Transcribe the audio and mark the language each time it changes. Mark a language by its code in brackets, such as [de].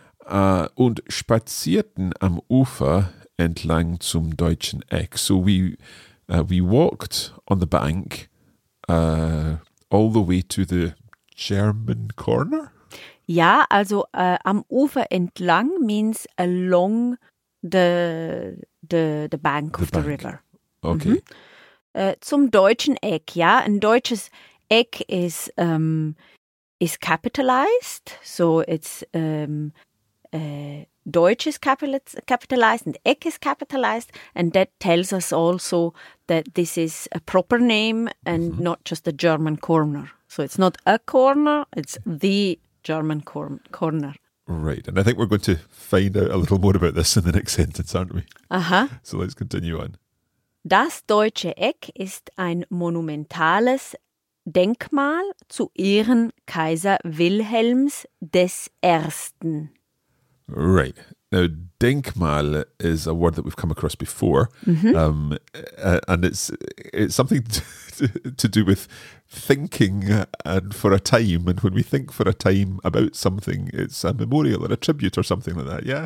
[de] Und spazierten am Ufer entlang zum Deutschen Eck. [en] So we walked on the bank all the way to the German Corner? [de] Ja, also am Ufer entlang [en] means along the bank of the river. Okay. Mm-hmm. [de] Zum Deutschen Eck, ja. Ein deutsches Eck [en] is is capitalized, so it's Deutsch is capitalized and Eck is capitalized, and that tells us also that this is a proper name and mm-hmm. not just a German corner. So it's not a corner, it's the German corner. Right, and I think we're going to find out a little more about this in the next sentence, aren't we? Uh-huh. So let's continue on. [de] Das Deutsche Eck ist ein monumentales Denkmal zu Ehren Kaiser Wilhelms des Ersten. [en] Right. Now, Denkmal is a word that we've come across before. Mm-hmm. And it's something to do with thinking and for a time. And when we think for a time about something, it's a memorial or a tribute or something like that, yeah?